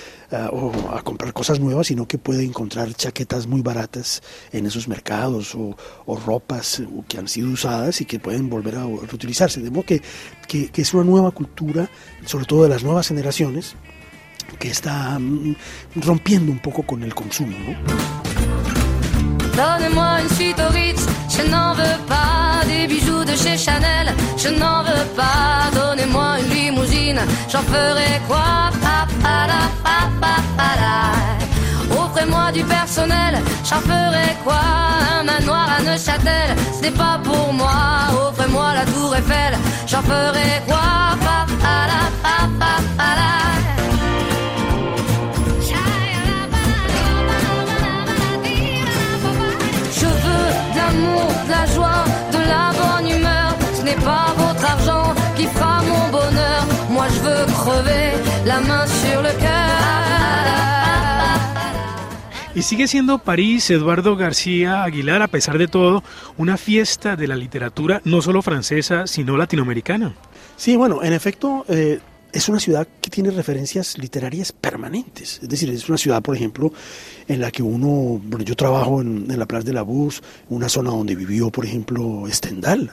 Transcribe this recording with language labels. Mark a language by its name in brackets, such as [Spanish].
[Spanish] o a comprar cosas nuevas, sino que puede encontrar chaquetas muy baratas en esos mercados o ropas que han sido usadas y que pueden volver a reutilizarse. De modo que es una nueva cultura, sobre todo de las nuevas generaciones, que está rompiendo un poco con el consumo, ¿no? [French] Donnez-moi une suite au Ritz, je n'en veux pas des bijoux de chez Chanel, je n'en veux pas, donnez-moi une limousine, j'en ferai quoi, papala, papala. Offrez-moi du personnel, j'en ferai quoi, un manoir à Neuchâtel, ce n'est pas pour moi, offrez-moi la tour Eiffel, j'en ferai quoi, papala, papala. De la joie, de la bonne humeur. Ce n'est pas votre argent qui fera mon bonheur. Moi je veux crever la main sur le cœur. [Spanish] Y sigue siendo París, Eduardo García Aguilar, a pesar de todo, una fiesta de la literatura, no solo francesa, sino latinoamericana. Sí, bueno, en efecto, es una ciudad que tiene referencias literarias permanentes. Es decir, es una ciudad, por ejemplo, en la que uno... Bueno, yo trabajo en la Place de la Bourse, una zona donde vivió, por ejemplo, Stendhal.